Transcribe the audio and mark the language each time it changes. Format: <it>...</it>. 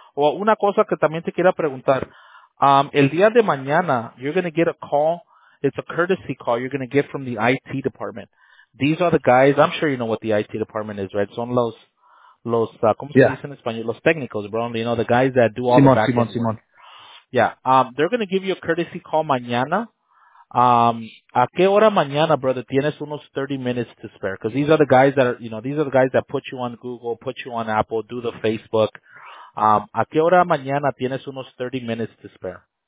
<es>O una cosa que también te quiero preguntar. El día de mañana,</es> <en>you're going to get a call. It's a courtesy call you're going to get from the IT department. These are the guys. I'm sure you know what the IT department is, right?</en> <es>Son los ¿cómo se dice en español? Los técnicos, bro.</es> <en>You know, the guys that do all Simon, background. Simon, work. Yeah, they're going to give you a courtesy call mañana.</en> <es>¿A qué hora mañana, brother, tienes unos</es> <en>30 minutes to spare? Because these are the guys that are, you know, these are the guys that put you on Google, put you on Apple, do the Facebook.</en> <es>¿A qué hora mañana tienes unos</es> <en>30 minutes to spare?</en>